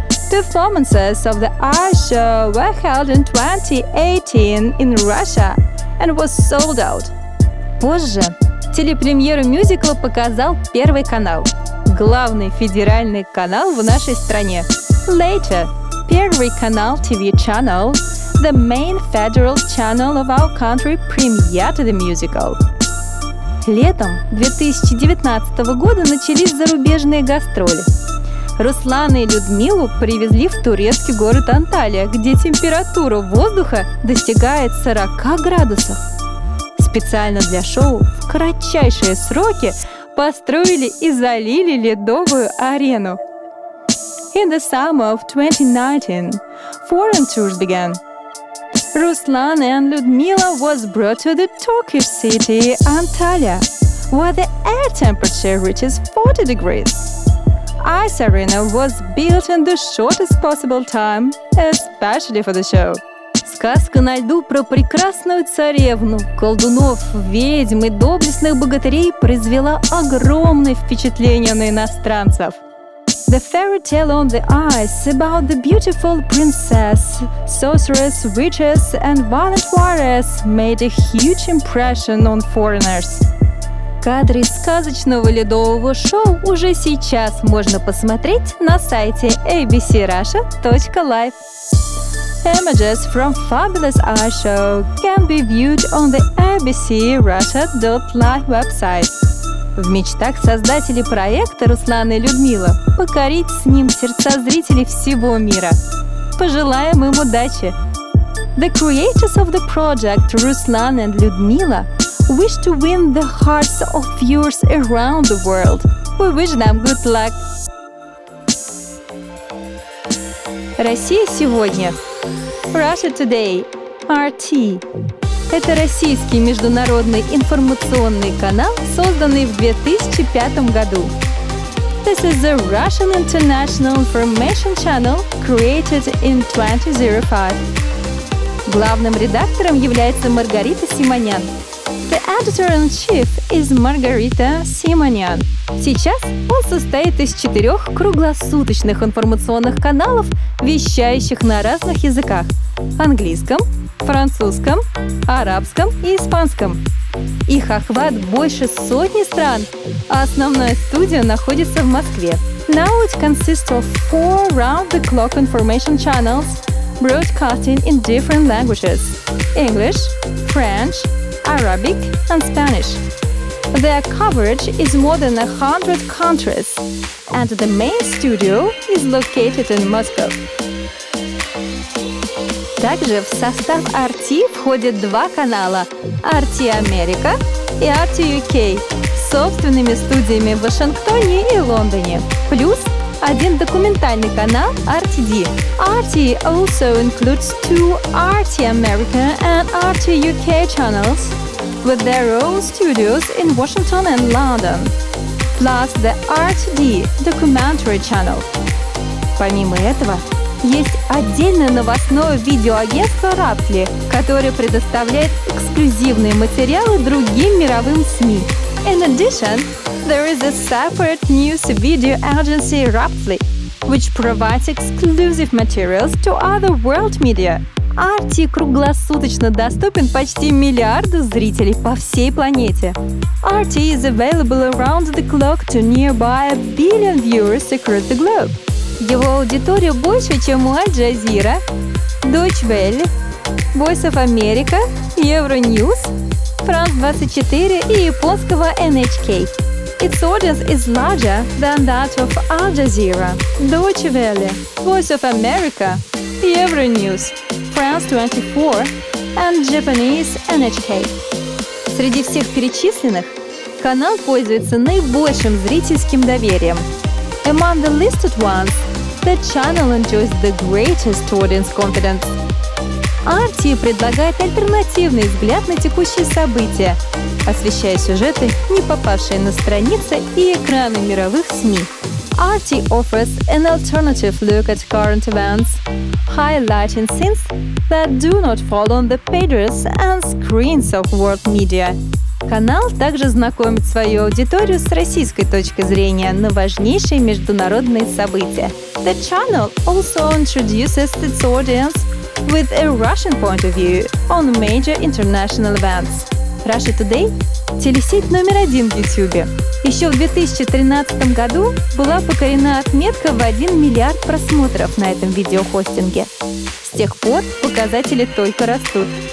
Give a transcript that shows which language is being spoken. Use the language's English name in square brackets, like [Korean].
[English] Performances of the ice show were held in 2018 in Russia and was sold out. [Russian] Позже телепремьеру мюзикла показал Первый канал, главный федеральный канал в нашей стране. [English] Later, Первый канал TV channel, the main federal channel of our country, premiered the musical. [Russian] Летом 2019 года начались зарубежные гастроли. Руслана и Людмилу привезли в турецкий город Анталия, где температура воздуха достигает 40 градусов. Специально для шоу в кратчайшие сроки построили и залили ледовую арену. [English] In the summer of 2019, foreign tours began. Ruslan and Людмила was brought to the Tokyo city Antalya, where the air temperature reaches 40 degrees. Ice arena was built in the shortest possible time, especially for the show. [Russian] Сказка на льду про прекрасную царевну, колдунов, ведьм и доблестных богатырей произвела огромное впечатление на иностранцев. [English] The fairy tale on the ice about the beautiful princess, sorceress, witches, and violent warriors made a huge impression on foreigners. [Russian] Кадры сказочного ледового шоу уже сейчас можно посмотреть на сайте abcrussia.live. [English] Images from fabulous ice show can be viewed on the abcrussia.live website. [Russian] В мечтах создателей проекта Руслана и Людмила покорить с ним сердца зрителей всего мира. Пожелаем им удачи! [English] The creators of the project Ruslan and Людмила wish to win the hearts of viewers around the world. We wish them good luck! [Russian] Россия сегодня. [English] Russia Today. RT. [Russian] Это российский международный информационный канал, созданный в 2005 году. [English] This is the Russian International Information Channel, created in 2005. [Russian] Главным редактором является Маргарита Симонян. [English] The editor-in-chief is Маргарита Симонян. [Russian] Сейчас он состоит из 4 круглосуточных информационных каналов, вещающих на разных языках – английском, французском, арабском и испанском. Их охват больше сотни стран, а основная студия находится в Москве. [English] Now it consists of 4 round-the-clock information channels, broadcasting in different languages – English, French, Arabic and Spanish. Their coverage is more than 100 countries, and the main studio is located in Moscow. [Russian] Также в состав RT входят 2 канала – RT America и RT UK с собственными студиями в Вашингтоне и Лондоне, плюс 1 документальный канал RTD. [English] RT also includes 2 RT America and RT UK channels, with their own studios in Washington and London, plus the RTD documentary channel. [Russian] Помимо этого, есть отдельное новостное видеоагентство Rattle, которое предоставляет эксклюзивные материалы другим мировым СМИ. [English] In addition, there is a separate news video agency Rattle, which provides exclusive materials to other world media. [Russian] RT круглосуточно доступен почти миллиарду зрителей по всей планете. [English] RT is available around the clock to nearby a billion viewers across the globe. [Russian] Его аудитория больше, чем у Аль-Джазира, Deutsche Welle, Voice of America, Euronews, France 24 и японского NHK. [English] Its audience is larger than that of Al-Jazeera, Deutsche Welle, Voice of America, Euronews, France 24 and Japanese NHK. [Russian] Среди всех перечисленных, канал пользуется наибольшим зрительским доверием. [English] Among the listed ones, the channel enjoys the greatest audience confidence. [Russian] RT предлагает альтернативный взгляд на текущие события, освещая сюжеты, не попавшие на страницы и экраны мировых СМИ. [English] RT offers an alternative look at current events, highlighting scenes that do not fall on the pages and screens of world media. [Russian] Канал также знакомит свою аудиторию с российской точки зрения на важнейшие международные события. [English] The channel also introduces its audience with a Russian point of view on major international events. [Russian] Russia Today – телесеть номер один в YouTube. Еще в 2013 году была покорена отметка в 1 миллиард просмотров на этом видеохостинге. С тех пор показатели только растут.